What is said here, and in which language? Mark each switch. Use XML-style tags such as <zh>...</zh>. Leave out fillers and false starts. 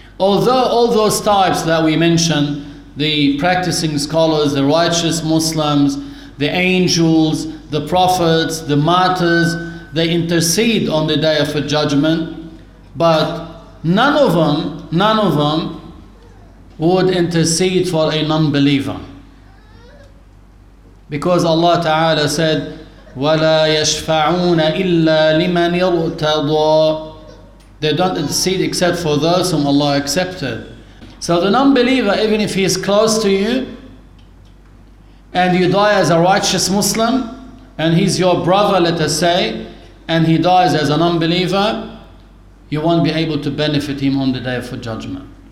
<en>Although all those types that we mentioned, the practicing scholars, the righteous Muslims, the angels, the prophets, the martyrs, they intercede on the day of the judgment, but none of them would intercede for a non-believer. Because Allah Ta'ala said,</en> <ar>وَلَا يَشْفَعُونَ إِلَّا لِمَنْ يَرْتَضَى.</ar> <en>They don't intercede except for those whom Allah accepted. So the non-believer, even if he is close to you, and you die as a righteous Muslim, and he's your brother, let us say, and he dies as a non-believer, you won't be able to benefit him on the day of judgment.</en>